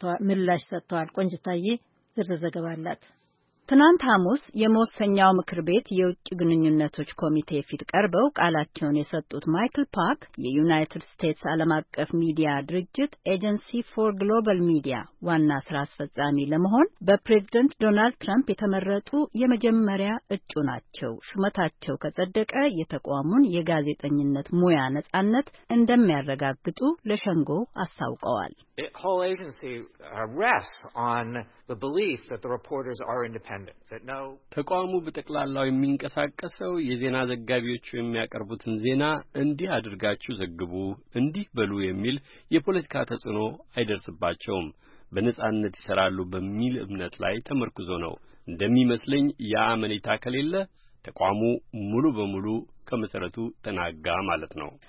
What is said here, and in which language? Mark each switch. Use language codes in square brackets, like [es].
[am] ምላሽ ሰጥተዋል። ቆንጅታዬ ዝርዝር ዘገባ አላት። ትናንት ሐሙስ የመወሰኛው ምክር ቤት የውጭ ግንኙነቶች ኮሚቴ ፊት ቀርበው ቃላቸውን የሰጡት ማይክል ፓክ የዩናይትድ ስቴትስ ዓለም አቀፍ ሚዲያ ድርጅት ኤጀንሲ ፎር ግሎባል ሚዲያ ዋና ስራ አስፈጻሚ ለመሆን በፕሬዝደንት ዶናልድ ትራምፕ የተመረጡ የመጀመሪያ እጩ ናቸው። ሹመታቸው ከጸደቀ የተቋሙን የጋዜጠኝነት ሙያ ነጻነት እንደሚያረጋግጡ ለሸንጎ አስታውቀዋል። [en] The whole agency rests on the belief that the reporters are independent, that no [am] ተቋሙ በጠቅላላው የሚንቀሳቀሰው የዜና ዘጋቢዎች የሚያቀርቡትን ዜና እንዲህ አድርጋችሁ ዘግቡ እንዲህ በሉ የሚል የፖለቲካ ተጽዕኖ አይደርስባቸውም፣ በነጻነት ይሰራሉ በሚል እምነት ላይ ተመርኩዞ ነው። እንደሚመስለኝ ያ አመኔታ ከሌለ ተቋሙ ሙሉ በሙሉ ከመሰረቱ ተናጋ ማለት ነው።